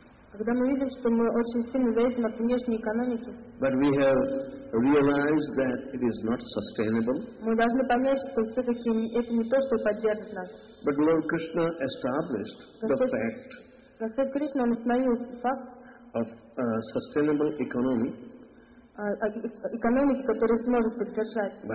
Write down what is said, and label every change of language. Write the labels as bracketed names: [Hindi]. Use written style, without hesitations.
[Russian] когда мы видим, что мы очень сильно зависим от внешней экономики, [English] but we have realized that it is not sustainable. [Russian] Мы должны понять, что все-таки это не то, что поддержит нас. [English] But Lord Krishna established [Russian] Господь Кришна установил факт [English] of sustainable economy. [Russian] Экономики, которая сможет поддержать.